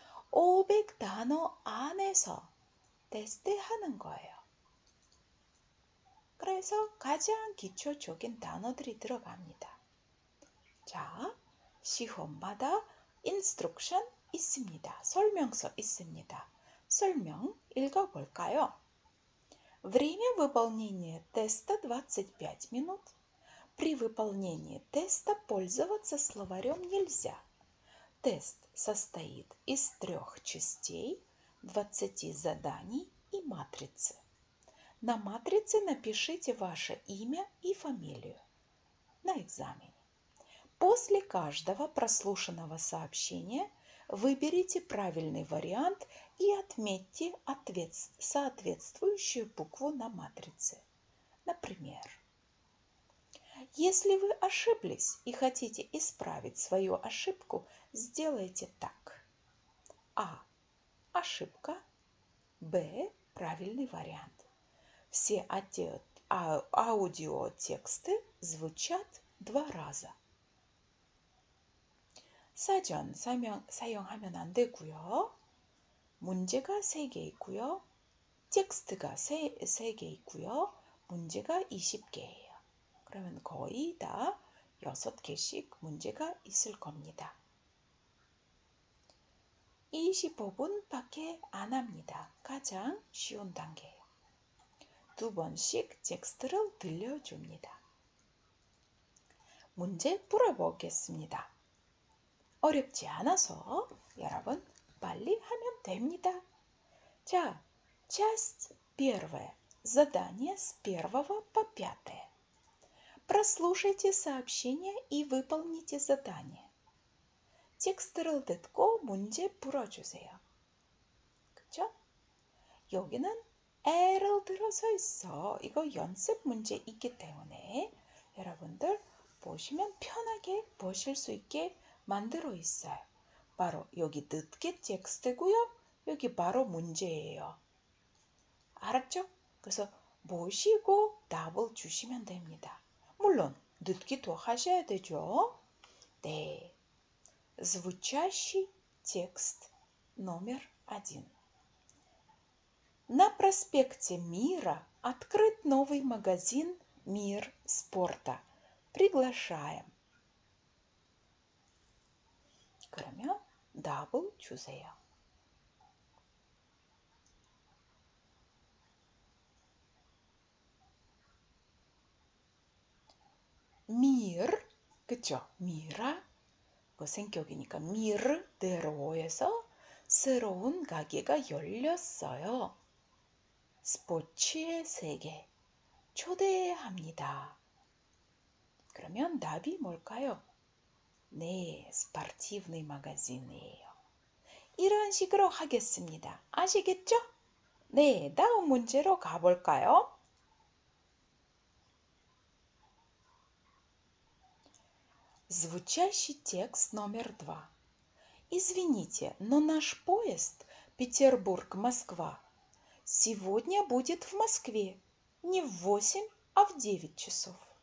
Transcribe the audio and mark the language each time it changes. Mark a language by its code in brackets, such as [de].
[ko] 500 단어 안에서 테스트하는 거예요. 그래서 가장 기초적인 단어들이 들어갑니다. 자, 시험마다 인스트럭션 있습니다. 설명서 있습니다. 설명 읽어볼까요? [ru] Время выполнения теста 25 минут. При выполнении теста пользоваться словарем нельзя. Тест состоит из трех частей, 20 заданий и матрицы. На матрице напишите ваше имя и фамилию на экзамене. После каждого прослушанного сообщения выберите правильный вариант и отметьте соответствующую букву на матрице. Например, если вы ошиблись и хотите исправить свою ошибку, сделайте так. А. Ошибка. Б. Правильный вариант. Все аудиотексты звучат два раза. [ko] 사전 사용하면 안 되고요. 문제가 세 개 있고요. 텍스트가 세 개 있고요. 문제가 20개예요. 그러면 거의 다 여섯 개씩 문제가 있을 겁니다. 25분밖에 안 합니다. 가장 쉬운 단계예요. 두 번씩 텍스트를 들려줍니다. 문제 풀어보겠습니다. 어렵지 않아서 여러분 빨리 하면 됩니다. [ru] 자, часть первая. Задание с первого по пятое. Прослушайте сообщение и выполните задание. [ko] Текстерл 듣고 문제 풀어주세요. 그쵸? 여기는 L을 들어서 있어. 이거 연습 문제 있기 때문에 여러분들 보시면 편하게 보실 수 있게 만들어 있어요. 바로 여기 늦게 텍스트고요. 여기 바로 문제예요. 알았죠? 그래서 보시고 답을 주시면 됩니다. 물론 늦기도 하셔야 되죠. 네. [ru] Звучащий текст номер один. На проспекте Мира открыт новый магазин Мир спорта. Приглашаем. [ko] 그러면 답을 주세요. 미르, 그쵸? 미라, 그 성격이니까 미르대로에서 새로운 가게가 열렸어요. 스포츠의 세계 초대합니다. 그러면 답이 뭘까요? 네, 스포티브니 마가진이에요. 이런 식으로 하겠습니다. 아시겠죠? 네, 다음 문제로 가볼까요? [ru] звучащий текст номер два. Извините, но наш поезд Петербург-Москва сегодня будет в Москве не в 8, а в 9 часов.